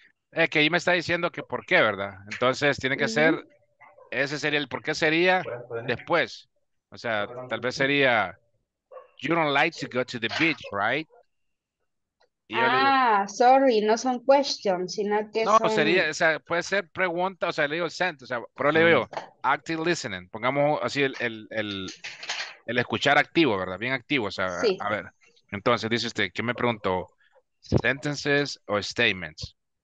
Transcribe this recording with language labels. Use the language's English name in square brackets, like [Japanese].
[Spanish] Es que ahí me está diciendo que por qué, ¿verdad? Entonces tiene que ser, ese sería el por qué sería después. O sea, tal vez sería, [English] you don't like to go to the beach, right? [Spanish] Y ah, digo, sorry, no son questions, sino que no, son... No, sería, o sea, puede ser pregunta, o sea, le digo sent, o sea, pero le digo active listening, pongamos así el escuchar activo, ¿verdad? Bien activo, o sea, sí. A ver. Entonces dice usted, ¿qué me preguntó? Sentences o statements?